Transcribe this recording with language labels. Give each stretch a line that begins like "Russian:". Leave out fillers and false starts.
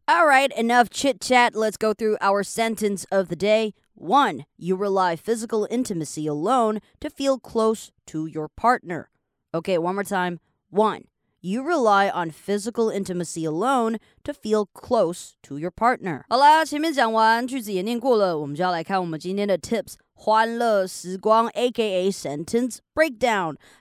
English: All right, enough chit-chat. Let's go through our sentence of the day. 1. You rely physical intimacy alone to feel close to your partner. Okay, one more time. 1. You rely on physical intimacy alone to feel close to your partner.
Chinese: 好啦，前面讲完，句子演练过了，我们就要来看我们今天的tips.
English: 欢乐时光 aka sentence breakdown.